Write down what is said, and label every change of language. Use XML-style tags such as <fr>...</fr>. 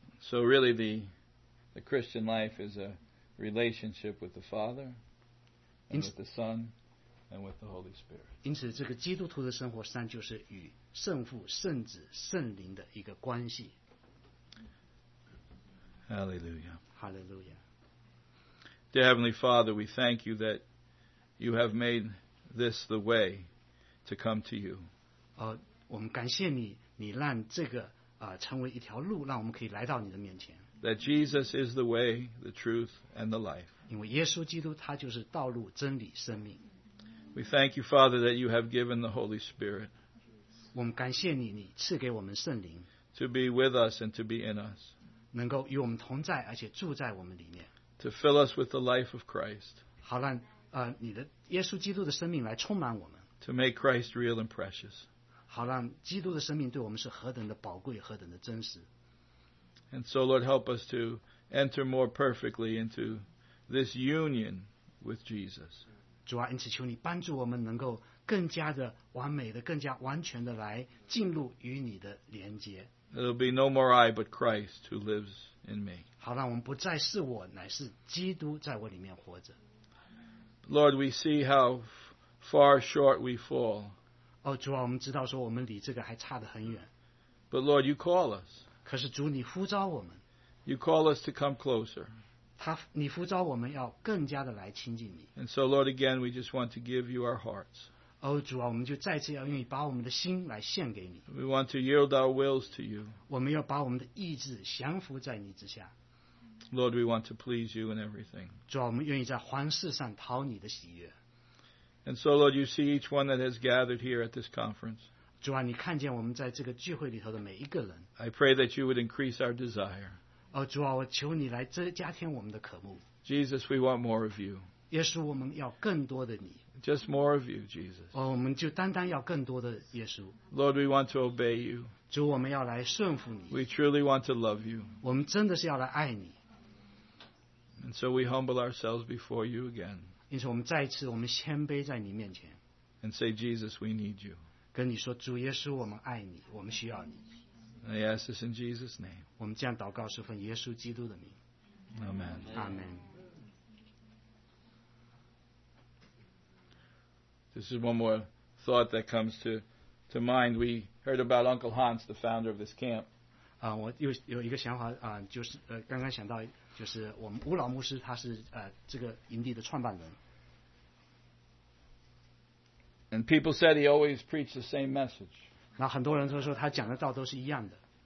<en>So really the Christian life is a relationship with the Father and with the Son and with the Holy Spirit.</en> <zh>因此这个基督徒的生活实际上就是与圣父、圣子、圣灵的一个关系。</zh> <en>Hallelujah. Hallelujah. Dear Heavenly Father, we thank you that you have made this the way to come to you.</en> <zh>我们感谢你，你让这个成为一条路，让我们可以来到你的面前。</zh> <en>That Jesus is the way, the truth, and the life.</en> <zh>因为耶稣基督他就是道路、真理、生命。</zh> <en>We thank you, Father, that you have given the Holy Spirit.</en> <zh>我们感谢你，你赐给我们圣灵。</zh> <en>To be with us and to be in us.</en> <zh>能够与我们同在，而且住在我们里面。</zh> <en>To fill us with the life of Christ.</en> <zh>好让你的耶稣基督的生命来充满我们。</zh> <en>To make Christ real and precious.</en> <zh>好让基督的生命对我们是何等的宝贵，何等的真实。</zh> <en>And so, Lord, help us to enter more perfectly into this union with Jesus.</en> <zh>主啊，因此求你帮助我们能够更加的完美的、更加完全的来进入与你的连接。</zh> <en>It'll be no more I, but Christ who lives in me.</en> <zh>好让我们不再是我，乃是基督在我里面活着。</zh> <en>Lord, we see how far short we fall.</en> <zh>主啊，我们知道说我们离这个还差得很远。</zh> <en>But Lord, you call us.</en> <zh>可是主，你呼召我们。</zh> <en>You call us to come closer.</en> <zh>你呼召我们要更加的来亲近你。</zh> <en>And so, Lord, again, we just want to give you our hearts.</en> <zh>主啊，我们就再次要愿意把我们的心来献给你。</zh> <en>We want to yield our wills to you.</en> <zh>我们要把我们的意志降服在你之下。</zh> <en>Lord, we want to please you in everything.</en> <zh>主啊，我们愿意在凡事上讨你的喜悦。</zh> <en>And so, Lord, you see each one that has gathered here at this conference.</en> <zh>主啊，你看见我们在这个聚会里头的每一个人。</zh> <en>I pray that you would increase our desire.</en> <zh>主啊，我求你来加添我们的渴慕。</zh> <en>Jesus, we want more of you.</en> <zh>耶稣，我们要更多的你。</zh> <en>Just more of you, Jesus.</en> <zh>我们就单单要更多的耶稣。</zh> <en>Lord, we want to obey you.</en> <zh>主，我们要来顺服你。</zh> <en>We truly want to love you.</en> <zh>我们真的是要来爱你。</zh> <en>And so we humble ourselves before you again.</en> <zh>因此我们再一次我们谦卑在你面前</zh> <en>and say Jesus we need you</en> <zh>跟你说主耶稣我们爱你我们需要你</zh> <en>I ask this in Jesus name</en> <zh>我们这样祷告是奉耶稣基督的名</zh> <en>Amen. Amen. This is one more thought that comes to mind. We heard about Uncle Hans, the founder of this camp.</en> <zh>我有一个想法就是刚刚想到就是我们吴老牧师，他是这个营地的创办人。</zh> <en>And people said he always preached the same message.</en> <zh>那很多人都说他讲的道都是一样的。</zh>